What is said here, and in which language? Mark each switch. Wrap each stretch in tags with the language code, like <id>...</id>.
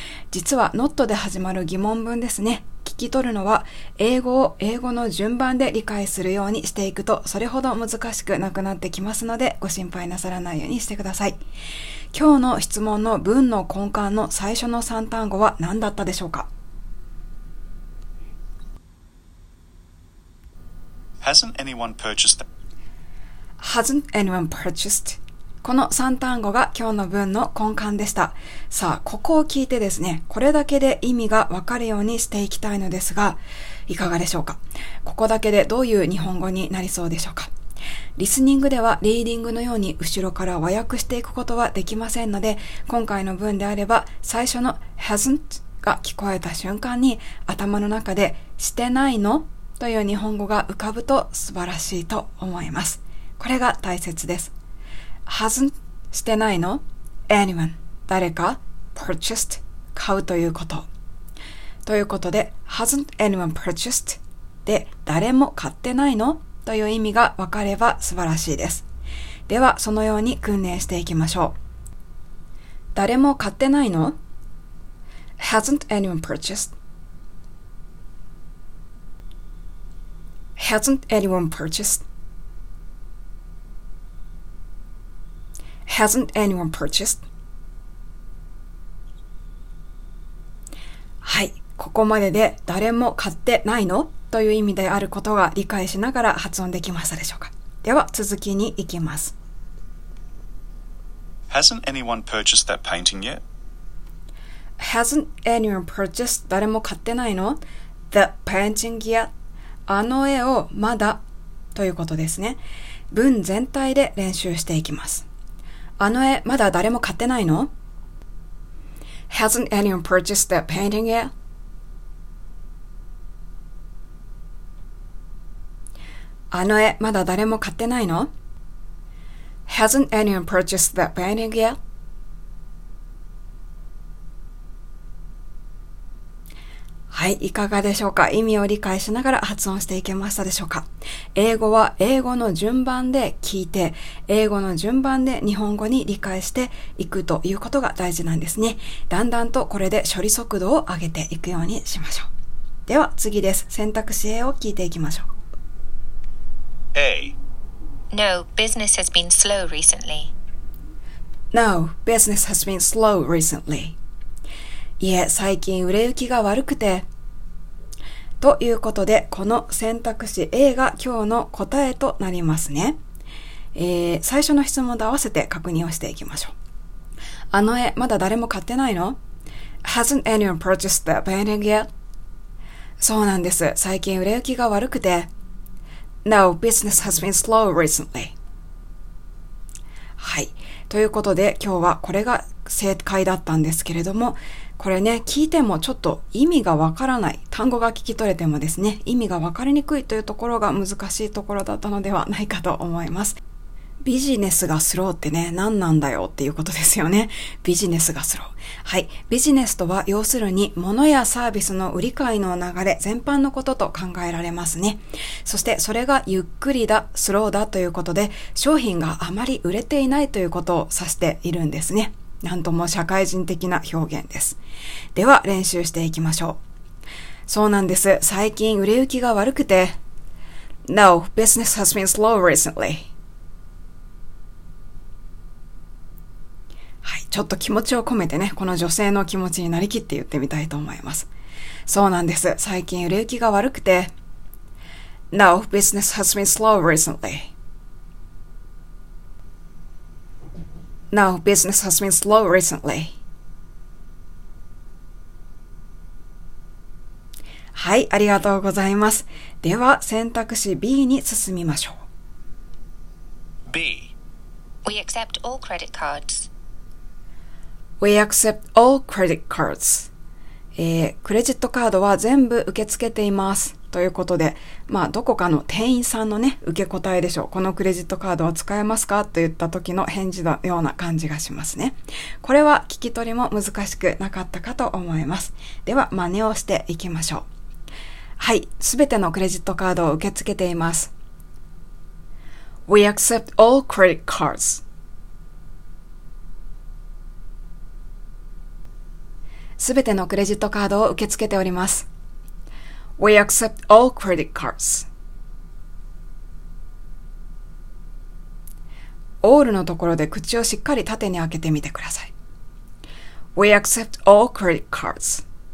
<ja>実は not で始まる疑問文ですね、聞き取るのは英語を英語の順番で理解するようにしていくとそれほど難しくなくなってきますので、ご心配なさらないようにしてください。今日の質問の文の根幹の最初の3単語は何だったでしょうか。</ja> <en>Hasn't anyone purchased? Hasn't anyone purchased?</en> <ja>この3単語が今日の文の根幹でした。さあここを聞いてですね、これだけで意味がわかるようにしていきたいのですが、いかがでしょうか。ここだけでどういう日本語になりそうでしょうか。リスニングではリーディングのように後ろから和訳していくことはできませんので、今回の文であれば最初の hasn't が聞こえた瞬間に頭の中でしてないのという日本語が浮かぶと素晴らしいと思います。これが大切です。hasn't してないの、 anyone 誰か、 purchased 買うということということで、</ja> <en>hasn't anyone purchased</en> <ja>で誰も買ってないのという意味が分かれば素晴らしいです。ではそのように訓練していきましょう。誰も買ってないの？</ja> <en>Hasn't anyone purchased? Hasn't anyone purchased? Hasn't anyone purchased?</en> <ja>はい、ここまでで誰も買ってないの？という意味であることが理解しながら発音できましたでしょうか。では続きに行きます。</ja> <en>Hasn't anyone purchased that painting yet? Hasn't anyone purchased?</en> <ja>誰も買ってないの？</ja> <en>The painting yet?</en> <ja>あの絵をまだということですね。文全体で練習していきます。あの絵まだ誰も買ってないの？</ja> <en>Hasn't anyone purchased that painting yet?</en> <ja>あの絵まだ誰も買ってないの？</ja> <en>Hasn't anyone purchased that painting yet?</en> <ja>はい、いかがでしょうか。意味を理解しながら発音していけましたでしょうか。英語は英語の順番で聞いて、英語の順番で日本語に理解していくということが大事なんですね。だんだんとこれで処理速度を上げていくようにしましょう。では次です。選択肢 A を聞いていきましょう。</ja> <en>A. No, business has been slow recently. No, business has been slow recently.</en> <ja>いえ、最近売れ行きが悪くて。ということで、この選択肢 A が今日の答えとなりますね。最初の質問と合わせて確認をしていきましょう。あの絵、まだ誰も買ってないの？</ja> <en>Hasn't anyone purchased that painting yet?</en> <ja>そうなんです。最近売れ行きが悪くて。</ja> <en>No, business has been slow recently.</en> <ja>はい。ということで、今日はこれが正解だったんですけれども、これね、聞いてもちょっと意味がわからない。単語が聞き取れてもですね、意味がわかりにくいというところが難しいところだったのではないかと思います。B ビジネスがスローってね、何なんだよっていうことですよね。ビジネスがスロー。はい。ビジネスとは、要するに、物やサービスの売り買いの流れ全般のことと考えられますね。そして、それがゆっくりだ、スローだということで、商品があまり売れていないということを指しているんですね。なんとも社会人的な表現です。では、練習していきましょう。そうなんです。最近売れ行きが悪くて、</ja> <en>No, business has been slow recently.</en> <ja>はい、ちょっと気持ちを込めてね、この女性の気持ちになりきって言ってみたいと思います。そうなんです。最近売れ行きが悪くて、</ja> <en>No, business has been slow recently. No, business has been slow recently.</en> <ja>はい、ありがとうございます。では、選択肢 B に進みましょう。</ja> <en>B. We accept all credit cards. We accept all credit cards.、</en> <ja>クレジットカードは全部受け付けています。ということで、まあ、どこかの店員さんのね、受け答えでしょう。このクレジットカードは使えますか?と言った時の返事のような感じがしますね。これは聞き取りも難しくなかったかと思います。では、真似をしていきましょう。はい、すべてのクレジットカードを受け付けています。</ja> <en>We accept all credit cards.</en> <ja>すべてのクレジットカードを受け付けております。</ja> <en>We accept all credit cards.</en> <ja>All のところで口をしっかり縦に開けてみてください。</ja> <en>We accept all credit cards.</en>